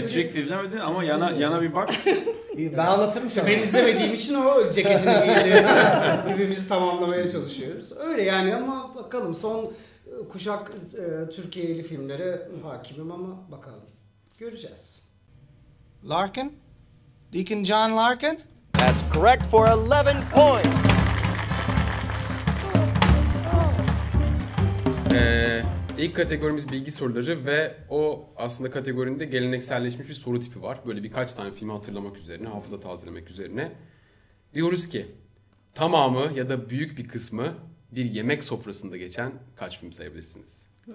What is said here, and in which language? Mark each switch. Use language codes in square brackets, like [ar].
[tr] Matrix şey izlemedin ama yana yana bir bak. Ben anlatırım sana. Ben izlemediğim için o ceketini giydi. Birbirimizi tamamlamaya çalışıyoruz. Öyle yani, ama bakalım. Son kuşak Türkiye'li filmlere hakimim ama bakalım. Göreceğiz. [en] Larkin? Deacon John Larkin? That's correct for 11 points. [tr] İlk kategorimiz bilgi soruları ve o aslında kategorinde gelenekselleşmiş bir soru tipi var. Böyle birkaç tane filmi hatırlamak üzerine, hafıza tazelemek üzerine. Diyoruz ki tamamı ya da büyük bir kısmı bir yemek sofrasında geçen kaç film sayabilirsiniz?